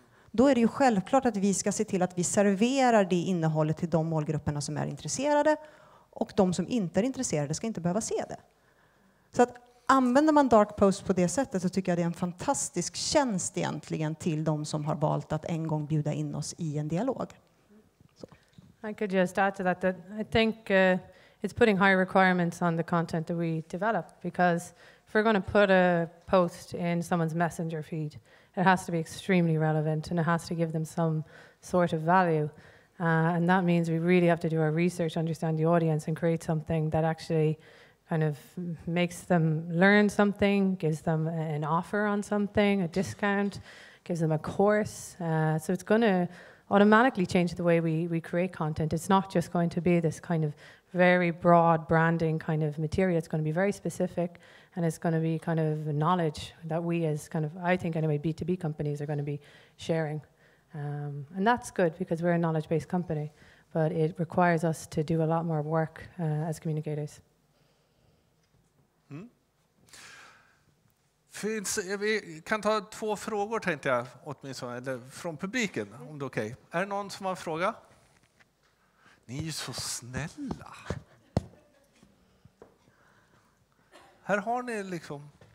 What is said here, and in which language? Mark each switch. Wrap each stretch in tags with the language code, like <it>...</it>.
<sv>Då är det ju självklart att vi ska se till att vi serverar det innehållet till de målgrupperna som är intresserade, och de som inte är intresserade ska inte behöva se det. Så att använder man dark post på det sättet, så tycker jag det är en fantastisk tjänst egentligen till de som har valt att en gång bjuda in oss i en dialog.</sv> <en>So. I could just add to that, that I think it's putting high requirements on the content that we develop, because if we're going to put a post in someone's messenger feed, it has to be extremely relevant and it has to give them some sort of value. And that means we really have to do our research, understand the audience and create something that actually kind of makes them learn something, gives them an offer on something, a discount, gives them a course. So it's going to automatically change the way we create content. It's not just going to be this kind of very broad branding kind of material. It's going to be very specific, and it's going to be kind of knowledge that we as kind of, I think anyway, B2B companies are going to be sharing. And that's good because we're a knowledge-based company, but it requires us to do a lot more work as communicators.</en> <sv>Vi kan ta två frågor, tänkte jag, åtminstone, eller från publiken, om det är okej. Okay. Är det någon som har en fråga? Ni är ju så snälla. Här har ni liksom...</sv>